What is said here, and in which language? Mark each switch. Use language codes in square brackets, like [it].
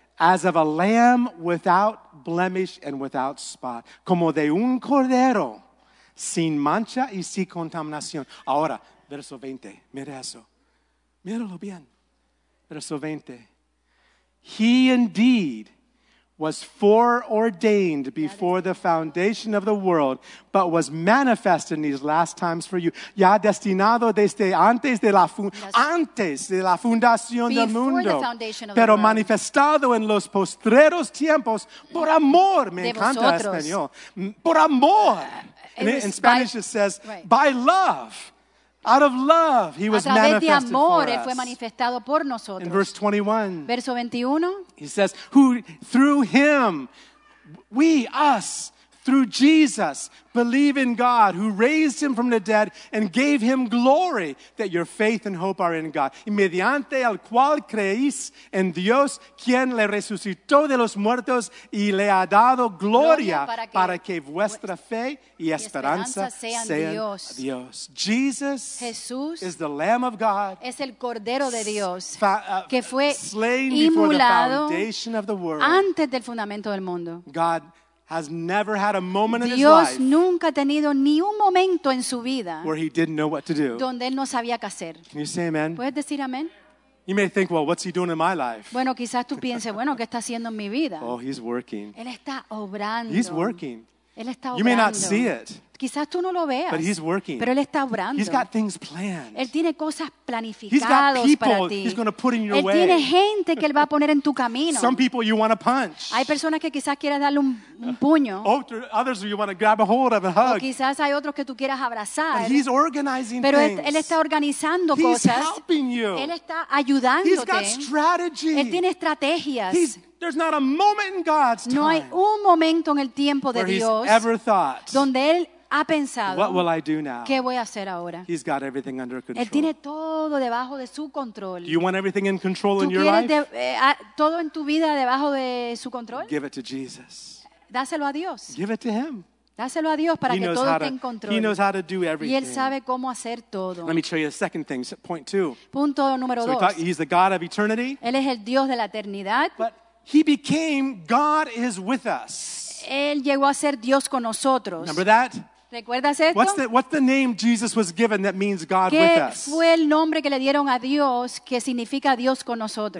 [en] As of a lamb without blemish and without spot. [es] Como de un cordero sin mancha y sin contaminación. Ahora, verso 20. Mira eso. Míralo bien. Verso 20. [en] He indeed was foreordained before the foundation of the world, but was manifest in these last times for you. [es] Ya destinado desde antes de la fundación del mundo, pero manifestado en los postreros tiempos por amor. Me encanta español. Por amor. [en] In Spanish, it says by love. Out of love, he was manifested [es] de amor, [en] for us. [es] Fue manifestado por nosotros. [en] In verse 21, [es] verso 21, [en] he says, who through him, we, us, through Jesus, believe in God, who raised him from the dead and gave him glory, that your faith and hope are in God. [es] Y mediante el cual creéis en Dios, quien le resucitó de los muertos y le ha dado gloria para que vuestra fe y esperanza sean Dios. Dios. Jesus, Jesús, [en] is the Lamb of God, [es] es el Cordero de Dios, que fue slain inmulado [en] before the foundation of the world. [es] Antes del fundamento del mundo. [en] God has never had a moment in his [es] Dios [en] life [es] nunca ha tenido ni un momento en su vida [en] where he didn't know what to do. [es] Donde él no sabía qué hacer. [en] Can you say amen? [es] ¿Puedes decir amén? [en] You may think, well, what's he doing in my life? [es] Bueno, quizás tú pienses, bueno, ¿qué está haciendo en mi vida? [en] Oh, he's working. [es] Él está obrando. [en] He's working. [es] Él está obrando. [en] You may not see it. [es] Quizás tú no lo veas. [en] But he's working. [es] Pero él está obrando. [en] He's got things planned. [es] Él tiene cosas planificadas para ti. [en] He's going to put in your [es] él [en] way. [es] Él tiene gente que él va a poner en tu camino. [en] Some people you want to punch. [es] Hay personas que quizás quieras darle un puño. [en] Others you want to grab a hold of and hug. [es] O quizás hay otros que tú quieras abrazar. [en] But he's organizing things. [es] Pero él está organizando [en] he's [es] cosas. [en] He's helping you. [es] Él está ayudándote. [en] He's got strategy. [es] Él tiene estrategias. [en] There's not a moment in God's time. [es] No hay un momento en el tiempo de [en] where [es] Dios [en] he's ever thought, [es] donde él ha pensado, [en] what will I do now? [es] ¿Qué voy a hacer ahora? [en] He's got everything under control. [es] Él tiene todo debajo de su control. [en] Do you want everything in control [es] ¿tú [en] in your [es] quieres [en] life? [es] Todo en tu vida debajo de su control? [en] Give it to Jesus. [es] Dáselo a Dios. [en] Give it to him. [es] Dáselo a Dios para [en] he [es] que todo esté en control. [en] He knows how to do everything. [es] Y él sabe cómo hacer todo. [en] Let me show you the second thing, so point two. [es] Punto número [en] so [es] dos. [en] He's the God of eternity. [es] Él es el Dios de la eternidad. [en] But he became God is with us. [es] Él llegó a ser Dios con nosotros. [en] Remember that? [es] ¿Recuerdas esto? [en] What's the name Jesus was given that means God [es] ¿qué [en] with us? [es] Fue el nombre que le dieron a Dios que significa Dios con nosotros.